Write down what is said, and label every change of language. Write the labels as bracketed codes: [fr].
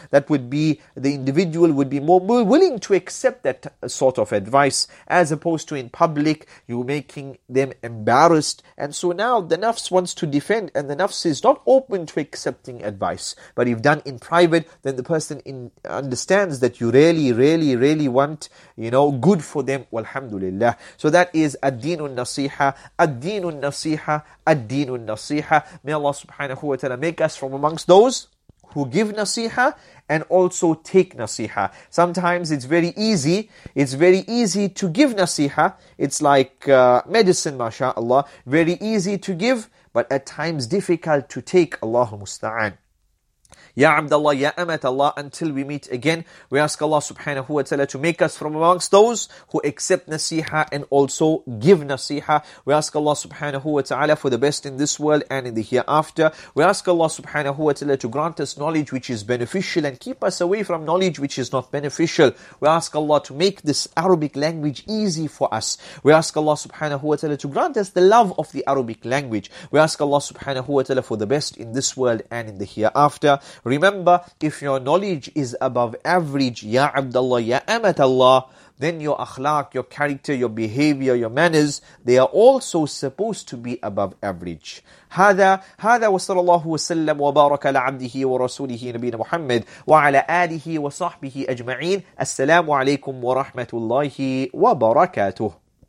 [en] That would be, the individual would be more willing to accept that sort of advice, as opposed to in public, you making them embarrassed. And so now the nafs wants to defend, and the nafs is not open to accepting advice. But if done in private, then the person understands that you really, really, really want, you know, good for them. Walhamdulillah. So that is [ar] ad-deenun nasiha. الدين النصيحة الدين النصيحة. [en] May Allah subhanahu wa ta'ala make us from amongst those who give nasiha and also take nasiha. Sometimes it's very easy to give nasiha. It's like medicine, mashallah, very easy to give, but at times difficult to take. [ar] Allahu musta'an. [en] Ya Abdullah, Ya Amat Allah, until we meet again, we ask Allah subhanahu wa ta'ala to make us from amongst those who accept nasiha and also give nasiha. We ask Allah subhanahu wa ta'ala for the best in this world and in the hereafter. We ask Allah subhanahu wa ta'ala to grant us knowledge which is beneficial and keep us away from knowledge which is not beneficial. We ask Allah to make this Arabic language easy for us. We ask Allah subhanahu wa ta'ala to grant us the love of the Arabic language. We ask Allah subhanahu wa ta'ala for the best in this world and in the hereafter. Remember, if your knowledge is above average, Ya Abdullah, Ya Amat Allah, then your akhlaq, your character, your behavior, your manners, they are also supposed to be above average. [ar] هذا وصلى الله وسلم وبارك على عبده ورسوله نبينا محمد وعلى آله وصحبه أجمعين. السلام عليكم ورحمة الله وبركاته.